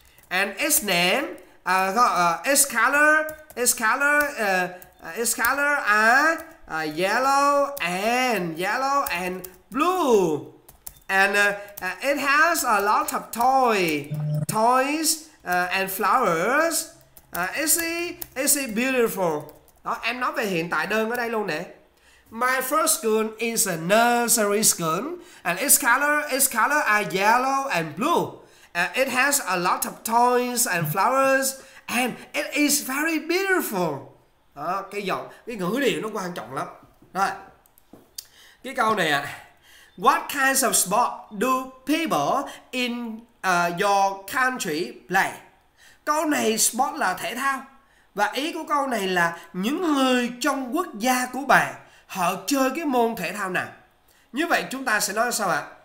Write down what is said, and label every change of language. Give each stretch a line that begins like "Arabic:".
English: And its name, its color are yellow and blue. And it has a lot of toys and flowers. Is it beautiful?
Vietnamese: Đó, em nói về hiện tại đơn ở đây luôn nè.
English: My first school is a nursery school and its color are yellow and blue. It has a lot of toys and flowers and it is very beautiful.
Vietnamese: Đó, cái giọng, cái ngữ điệu nó quan trọng lắm. Rồi. Cái câu này ạ.
English: What kinds of sport do people in your country play?
Vietnamese: Câu này sport là thể thao. Và ý của câu này là những người trong quốc gia của bạn họ chơi cái môn thể thao nào? Như vậy chúng ta sẽ nói sao ạ?